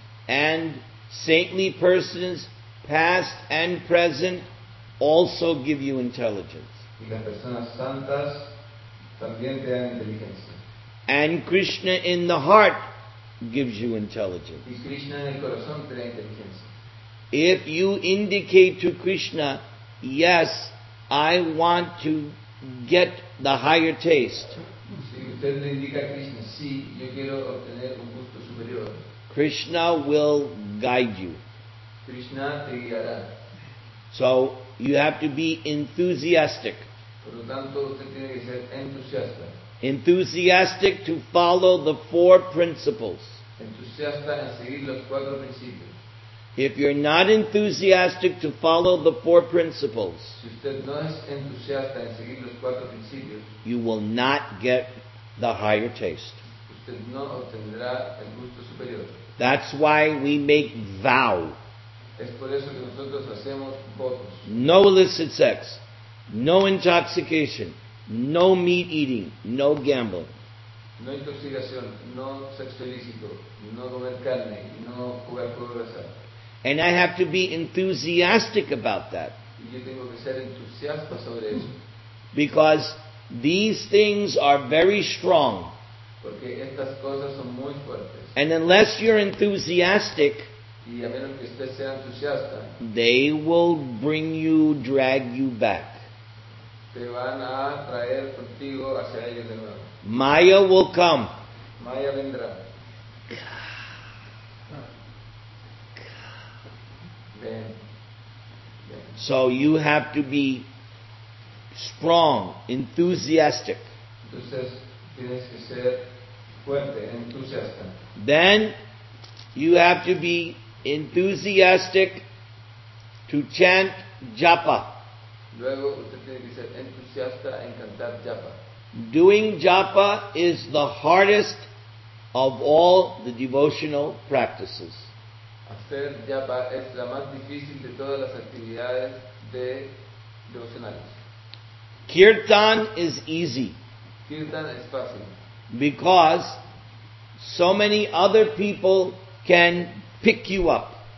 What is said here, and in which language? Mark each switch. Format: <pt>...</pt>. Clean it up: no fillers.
<en>And saintly persons, past and present, also give you intelligence.</en> <es>Y las personas santas también te dan inteligencia.</es> <en>And Krishna in the heart gives you intelligence.</en> <es>Y Krishna en el corazón te da inteligencia.</es> <en>If you indicate to Krishna, yes, I want to get the higher taste,</en> <es>si usted le indica a Krishna, sí, yo quiero obtener un gusto superior,</es> <en>Krishna will guide you.</en> <es>Krishna te guiará.</es> <en>So you have to be enthusiastic.</en> <es>Por lo tanto, usted tiene que ser entusiasta.</es> <en>Enthusiastic to follow the four principles.</en> <es>Entusiasta en seguir los cuatro principios.</es> <en>If you're not enthusiastic to follow the four principles,</en> <es>si usted no es entusiasta en seguir los cuatro principios,</es> <en>you will not get the higher taste.</en> <es>Usted no obtendrá el gusto superior.</es> <en>That's why we make vow.</en> <es>Es por eso que nosotros hacemos votos.</es> <en>No illicit sex, no intoxication, no meat eating, no gambling.</en> <es>No intoxicación, no sexo ilícito, no comer carne, no jugar juego de azar.</es> <en>And I have to be enthusiastic about that.</en> <es>Yo tengo que ser entusiasta sobre eso.</es> <en>Because these things are very strong.</en> <es>Porque estas cosas son muy fuertes.</es> <en>And unless you're enthusiastic,</en> <es>y a menos que usted sea entusiasta,</es> <en>they will bring you, drag you back.</en> <es>Te van a traer contigo hacia ellos de nuevo.</es> <en>Maya will come.</en> <es>Maya vendrá.</es> <en>So you have to be strong, enthusiastic.</en> <es>Entonces, tienes que ser fuerte, entusiasta.</es> <en>Then you have to be enthusiastic to chant japa.</en> <es>Luego, usted tiene que ser entusiasta en cantar japa.</es> <en>Doing japa is the hardest of all the devotional practices.</en> <es>Hacer japa es la más difícil de todas las actividades de devocionales.</es> <en>Kirtan is easy.</en> <es>Kirtan es fácil.</es> <en>Because so many other people can pick you up.</en>